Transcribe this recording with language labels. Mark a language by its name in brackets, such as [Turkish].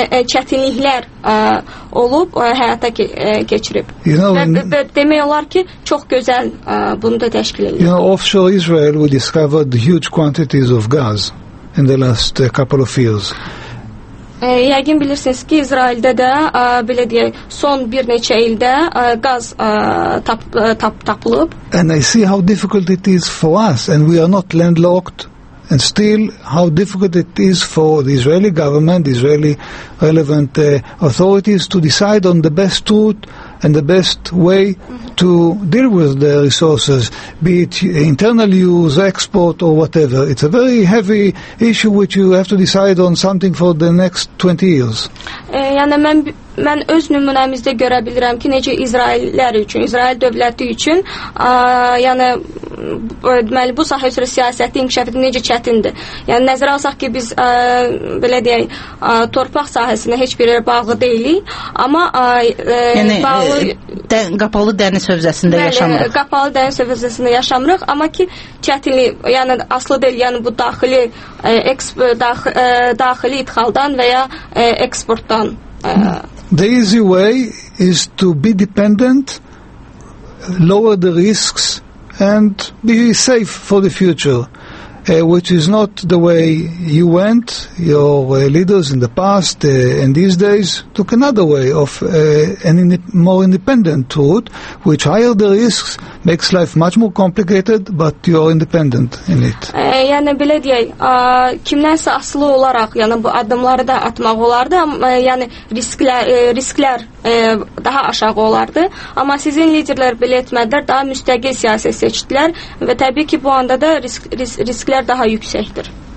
[Azerbaijani] Yəni çətinliklər olub həyata keçirib. [English] You know, [Azerbaijani] və demək olar ki, çox gözəl bunu da təşkil edir. [English] You know, offshore Israel we discovered huge quantities of gas in the last couple of years. [Azerbaijani] Yəqin bilirsiniz ki, İsraildə də belə deyək, son bir neçə ildə qaz tapılıb. [English] And I see how difficult it is for us, and we are not landlocked, and still how difficult it is for the Israeli government, the Israeli relevant authorities to decide on the best route and the best way to deal with the resources, be it internal use, export, or whatever. It's a very heavy issue which you have to decide on something for the next 20 years. [Azerbaijani] Yəni, mən öz nümunəmizdə görə bilirəm ki, necə İsraillər üçün, İsrail dövləti üçün, yəni, deməli, bu sahə üzrə siyasəti inkişaf edir, necə çətindir. Yəni, nəzərə alsaq ki, biz, belə deyək, torpaq sahəsində heç bir yerə bağlı deyilik, amma yəni, bağlı... qapalı dəniz hövzəsində yaşamırıq. Bəli, qapalı dəniz hövzəsində yaşamırıq, amma ki, çətinlik, yəni, aslı deyil, yəni, bu daxili, daxili idxaldan və ya eksportdan. [English] The easy way is to be dependent, lower the risks, and be safe for the future, which is not the way you went, your leaders in the past and these days took another way of more independent route, which higher the risks, makes life much more complicated, but you are independent in it. [Azerbaijani] Yani belə deyək, kimlənsə asılı olaraq, yani bu adımları da atmaq olardı, yani risklər daha aşağı olardı, amma sizin liderlər belə etmədilər, daha müstəqil siyasət seçdilər və təbii ki, bu anda da risklər daha yüksəkdir.